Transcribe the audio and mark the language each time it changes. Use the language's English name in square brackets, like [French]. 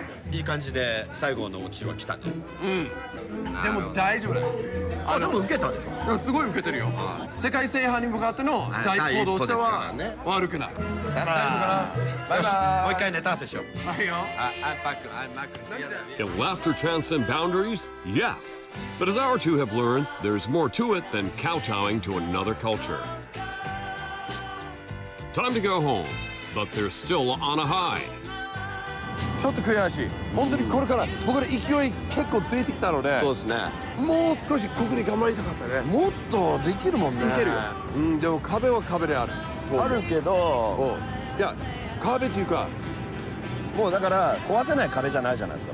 [Japanese] いい感じで最後のオチは来たね。でも大丈夫だ。あ、でも受けたでしょ。すごい受けてるよ。世界制覇に向かっての大行動としては悪くない。さよなら。バイバイ。もう一回ネタ合わせしよう。はいよ。 [English] I'm Paco. I'm Mac. Can laughter transcend boundaries? Yes. But as our two have learned, there's more to it than kowtowing to another culture. Time to go home, but they're still on a high. [Japanese] ちょっと悔しい。本当にこれから僕ら勢い結構ついてきたので、そうですね、もう少しここで頑張りたかったね。もっとできるもんね。いけるよ。でも壁は壁である。あるけど、いや壁っていうか、もうだから壊せない壁じゃないじゃないですか。